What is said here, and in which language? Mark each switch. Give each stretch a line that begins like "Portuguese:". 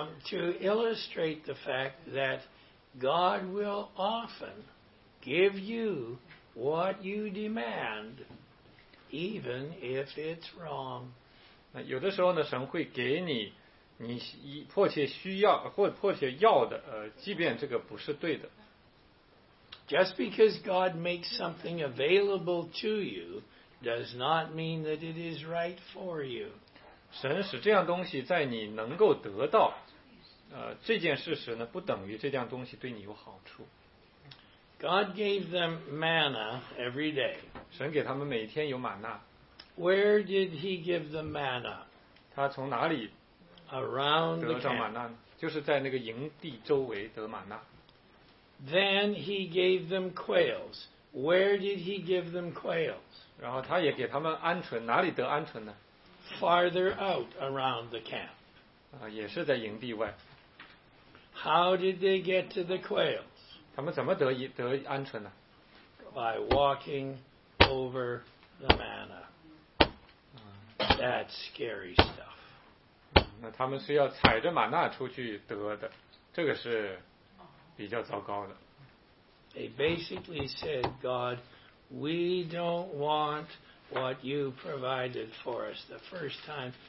English: To illustrate the fact that God will often give you what you demand, even if it's wrong.
Chinese: 那有的时候呢，神会给你你迫切需要或迫切要的，即便这个不是对的。
English: Just because God makes something available to you does not mean that it is right for you.
Chinese: 神使这样东西在你能够得到，这件事实呢，不等于这件东西对你有好处。
English: God gave them manna every day.
Chinese: 神给他们每天有玛纳。
English: Where did he give the manna?
Chinese: 他从哪里
English: around
Chinese: 得到玛纳呢？就是在那个营地周围得玛纳。
English: Then he gave them quails. Where did he give them quails?
Chinese: 然后他也给他们鹌鹑，哪里得鹌鹑呢？
English: Farther out around the camp.
Chinese: 也是在营地外。
English: How did they get to the quails?
Chinese: 他们怎么得鹌鹑呢？
English: By walking over the manna. That's scary stuff.
Chinese: 那他们是要踩着玛纳出去得的，这个是比较糟糕的。
English: They basically said, God, we don't want what you provided for us the first time.